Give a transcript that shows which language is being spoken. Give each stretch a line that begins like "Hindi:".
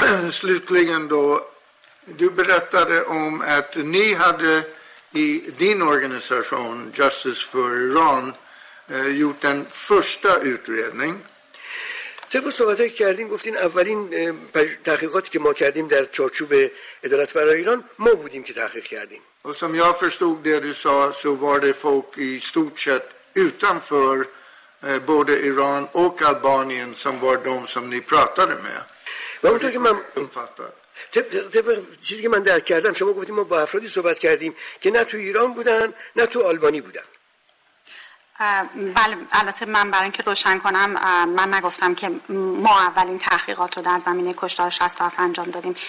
Swedish: Slutligen då, du berättade om att ni hade i din organisation Justice for Iran gjort en första utredning.
Persian: طبق صحبت هایی کردیم گفتین اولین تحقیقاتی که ما کردیم در چارچوب عدالت برای ایران ما بودیم که تحقیق کردیم.
Swedish: و som jag förstod det du sa så var det folk i stort sett utanför både Iran och Albanien som var de som ni pratade med.
Persian: و اونطور که من uppfattar. طبق چیزی که من درک کردم شما گفتیم ما با افرادی صحبت کردیم که نه تو ایران بودن نه تو آلبانی بودن. بله، البته من برای اینکه روشن کنم، من نگفتم که ما اولین تحقیقات رو در زمینه کشتار 67 انجام دادیم.